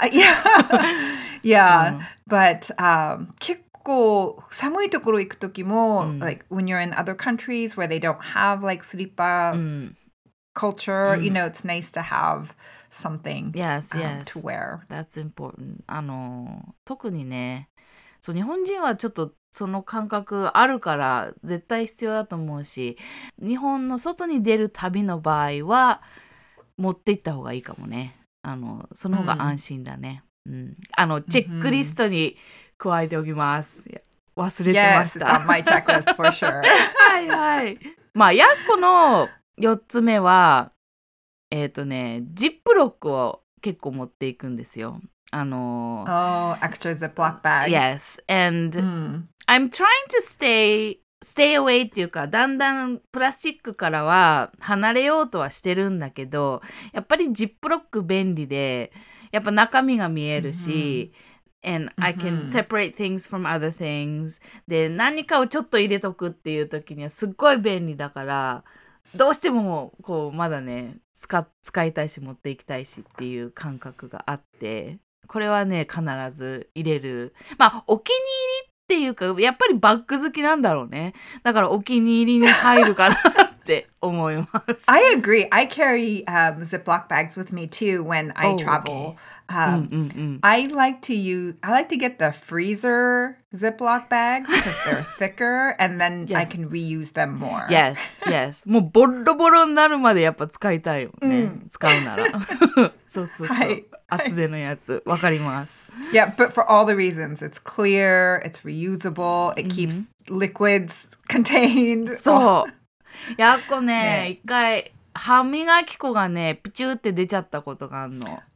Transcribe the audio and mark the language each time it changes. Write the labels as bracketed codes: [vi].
[ja] Yeah. yeah.、Mm. But 結構寒いところ行くときも、mm. [en] like when you're in other countries where they don't have like slippa、mm. culture,、mm. you know, it's nice to have something yes, yes. to wear. That's important. [ja] 特にね、そう日本人はちょっとその感覚あるから絶対必要だと思うし、日本の外に出る旅の場合は持って行った方がいいかもね。あのその方が安心だね、うんうん、あのチェックリストに加えておきます。忘れてました。 [en] Yes, it's on my checklist for sure. [ja] はいはい。まあやっこの4つ目はジップロックを結構持っていくんですよ。 [en] Extra Ziploc bag. Yes, and、mm. I'm trying to stay away [ja] っていうか、だんだんプラスチックからは離れようとはしてるんだけど、やっぱりジップロック便利で、やっぱ中身が見えるし、mm-hmm. [en] and I can separate things from other things. [ja] で、何かをちょっと入れとくっていう時にはすっごい便利だから、どうしてもこうまだね使いたいし持っていきたいしっていう感覚があって。これはね必ず入れる。まあお気に入りっていうかやっぱりバッグ好きなんだろうね。だからお気に入りに入るかなって思います。 [en] I agree. I carry Ziploc bags with me too when I travel. I like to get the freezer Ziploc bags because they're thicker and then、yes. I can reuse them more. Yes, yes. [ja] もうボロボロになるまでやっぱ使いたいよね。Mm. 使うなら。そうそうそう。はい厚手のやつ、わかります。 [en] Yeah, but for all the reasons. It's clear, it's reusable, it keeps、mm-hmm. liquids contained. [ja] そう。やっこね、一、ね、回歯磨き粉がね、ピチューって出ちゃったことがあんの。